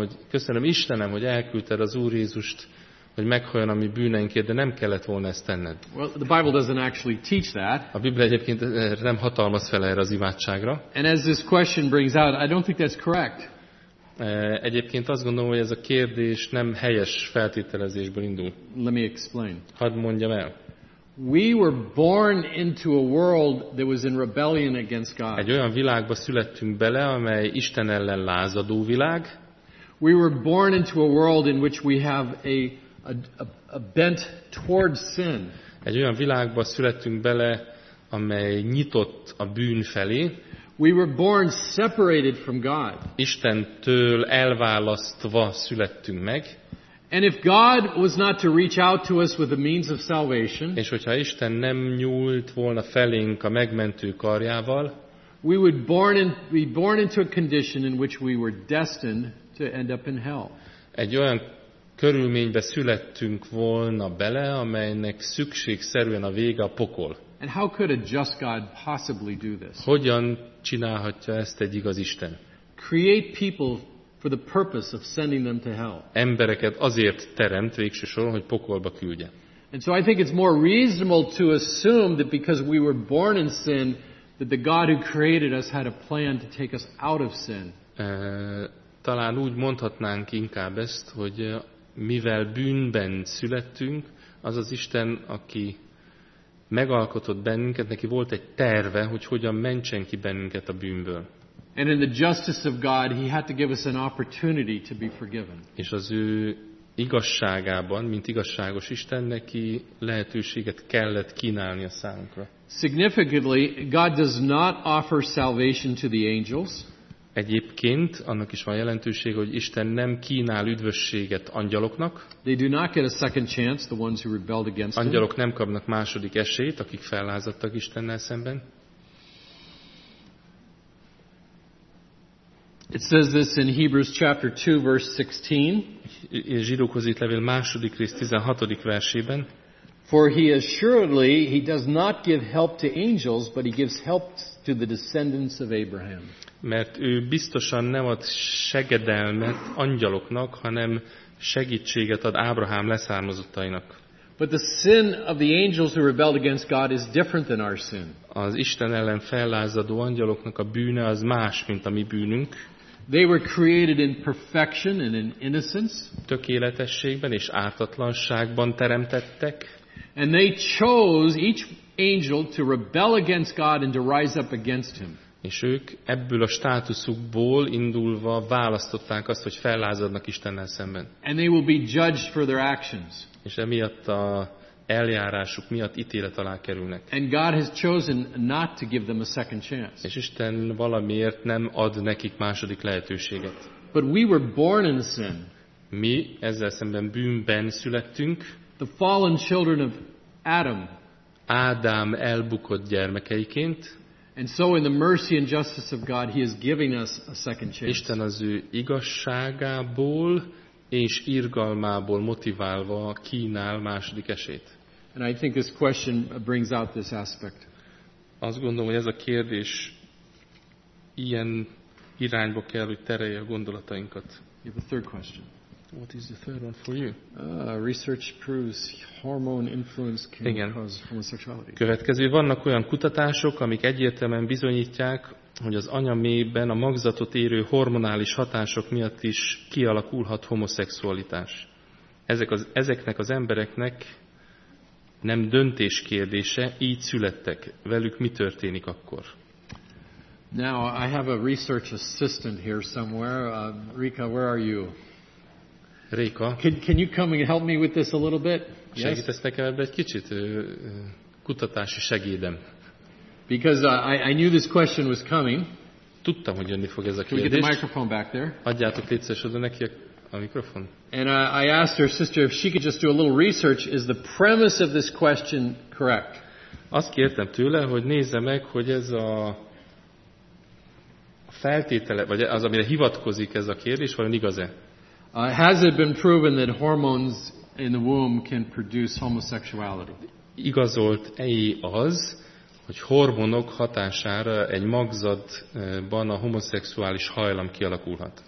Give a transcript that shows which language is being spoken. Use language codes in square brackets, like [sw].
[hu] Köszönöm Istenem, hogy elküldted az Úr Jézust, hogy meghaljon a mi bűneinkért, de nem kellett volna ezt tenned. [en] Well, the Bible doesn't actually teach that. [hu] A Biblia egyébként nem hatalmaz fel erre az imádságra. [en] And as this question brings out, I don't think that's correct. [hu] Egyébként azt gondolom, hogy ez a kérdés nem helyes feltételezésből indul. [en] Let me explain. [hu] Hadd mondjam el. [en] We were born into a world that was in rebellion against God. [hu] Egy olyan világba születtünk bele, amely Isten ellen lázadó világ. [en] We were born into a world in which we have a bent towards sin. [hu] Egy olyan világba születtünk bele, amely nyitott a bűn felé. [en] We were born separated from God. [hu] Istentől elválasztva születtünk meg. [en] And if God was not to reach out to us with the means of salvation, [hu] és hogyha Isten nem nyúlt volna felénk a megmentő karjával, [en] we would be born into a condition in which we were destined to end up in hell. [hu] Egy olyan körülménybe születtünk volna bele, amelynek szükségszerűen a vége a pokol. [en] And how could a just God possibly do this? [hu] Hogyan csinálhatja ezt egy igaz Isten? [en] Create people for the purpose of sending them to hell. [hu] Embereket azért teremt végső soron, hogy pokolba küldje. [en] And so I think it's more reasonable to assume that because we were born in sin, that the God who created us had a plan to take us out of sin. [hu] Talán úgy mondhatnánk inkább ezt, hogy mivel bűnben születtünk, az az Isten, aki megalkotott bennünket, neki volt egy terve, hogy hogyan mentsen ki bennünket a bűnből. [en] And in the justice of God, he had to give us an opportunity to be forgiven. [hu] És az ő igazságában, mint igazságos Isten, neki lehetőséget kellett kínálni a számunkra. [en] Significantly, God does not offer salvation to the angels. [hu] Egyébként annak is van jelentősége, hogy Isten nem kínál üdvösséget angyaloknak. [en] They do not get a second chance, the ones who rebelled against him. [hu] Angyalok nem kapnak második esélyt, akik fellázadtak Istennel szemben. [en] It says this in Hebrews chapter 2 verse 16. [hu] Zsidókhoz írt levél második rész 16. versében. [en] For he assuredly he does not give help to angels, but he gives help to the descendants of Abraham. [hu] Mert ő biztosan nem ad segedelmet angyaloknak, hanem segítséget ad Ábrahám leszármazottainak. [en] But the sin of the angels who rebelled against God is different than our sin. [hu] Az Isten ellen fellázadó angyaloknak a bűne az más, mint a mi bűnünk. [en] They were created in perfection and in innocence. [hu] Tökéletességben és ártatlanságban teremtettek. [en] And they chose each angel to rebel against God and to rise up against him. [hu] És ők ebből a státuszukból indulva választották azt, hogy fellázadnak Istennel szemben. [en] And they will be judged for their actions. [hu] És emiatt a eljárásuk miatt ítélet alá kerülnek. [en] And God has chosen not to give them a second chance. [hu] És Isten valamiért nem ad nekik második lehetőséget. [en] But we were born in sin. [hu] Mi ezzel szemben bűnben születtünk. [en] The fallen children of Adam. [hu] Ádám elbukott gyermekeiként. [en] And so in the mercy and justice of God, he is giving us a second chance. [hu] Isten az ő igazságából és irgalmából motiválva kínál második esélyt. [en] And I think this question brings out this aspect. [hu] Azt gondolom, hogy ez a kérdés ilyen irányba kell, hogy terelje a gondolatainkat. [en] You have a third question. What is the third one for you? Research proves hormone influence can cause homosexuality. [hu] Következő, vannak olyan kutatások, amik egyértelműen bizonyítják, hogy az anyamében a magzatot érő hormonális hatások miatt is kialakulhat homoszexualitás. Ezeknek az embereknek nem döntés kérdése, így születtek. Velük mi történik akkor? [en] Now I have a research assistant here somewhere. Rika, where are you? [hu] Réka. [en] Can you come and help me with this a little bit? [hu] Segítesz nekem ebbe egy kicsit? Kutatási segédem. [en] Because I knew this question was coming. [hu] Tudtam, hogy jönni fog ez a kérdés. [en] Get the microphone back there. [hu] Adjátok létszés oda neki a mikrofon. [en] And I asked her sister if she could just do a little research. Is the premise of this question correct? [hu] Azt kértem tőle, hogy nézze meg, hogy ez a feltétele, vagy az, amire hivatkozik ez a kérdés, vajon igaz-e? [en] Has it been proven that hormones in the womb can produce homosexuality? [hu] Igazolt-e az, hogy hormonok hatására egy magzatban a homoszexuális hajlam kialakulhat?